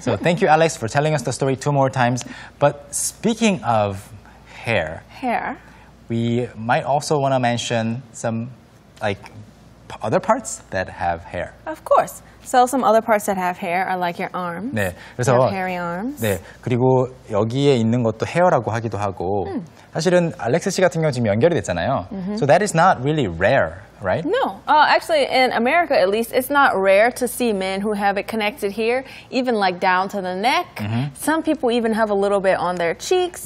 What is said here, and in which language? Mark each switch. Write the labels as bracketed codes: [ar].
[en] So thank you, Alex, for telling us the story two more times. But speaking of hair. Hair. We might also want to mention some like other parts that have hair. Of course. So some other parts that have hair are like your arms. [ko] 네. [en] 그래서 you have hairy arms. [ko] 네. 그리고 여기에 있는 것도 헤어라고 하기도 하고 사실은 알렉스 씨 같은 경우 지금 연결이 됐잖아요. [en] Mm-hmm. So that is not really rare, right? No. Actually, in America at least, it's not rare to see men who have it connected here, even like down to the neck. Mm-hmm. Some people even have a little bit on their cheeks